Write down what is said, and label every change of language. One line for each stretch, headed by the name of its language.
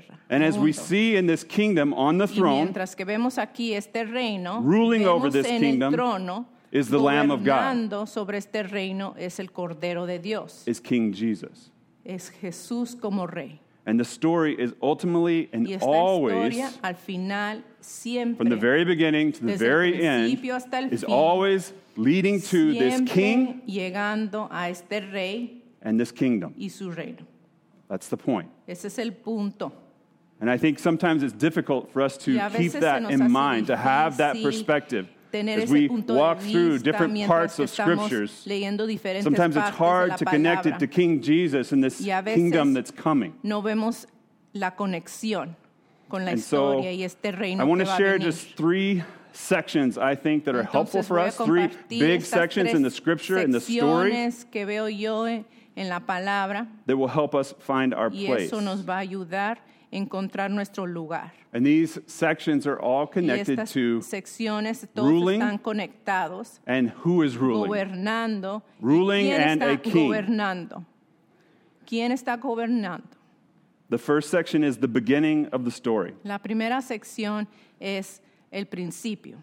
English: And as we see in this kingdom on the throne, ruling over this kingdom, is the Lamb of God.
Spanish: Gobernando sobre este reino es el Cordero de Dios.
English: Is King Jesus.
Spanish: Es Jesús como Rey.
English: And the story is ultimately and
Spanish: y esta
English: always,
Spanish: al final, siempre,
English: from the very beginning to the very end,
Spanish: hasta el
English: is
Spanish: fin,
English: always leading to this King
Spanish: llegando a este Rey
English: and this kingdom.
Spanish: Y su reino.
English: That's the point.
Spanish: Ese es el punto.
English: And I think sometimes it's difficult for us to keep that in mind, to have that perspective. As we walk through different parts of scriptures, sometimes it's hard to connect it to King Jesus and this kingdom that's coming.
Spanish: No vemos la conexión con la historia y este reino.
English: I want to share just three sections I think that are helpful for us, three big sections in the scripture and the story that will help us find our place.
Spanish: Y eso nos va a ayudar encontrar nuestro lugar.
English: And these sections are all connected to ruling
Spanish: están conectados
English: and who is ruling.
Spanish: Gobernando.
English: Ruling and
Spanish: está
English: a king.
Spanish: Gobernando. ¿Quién está gobernando?
English: The first section is the beginning of the story.
Spanish: La primera sección es el principio.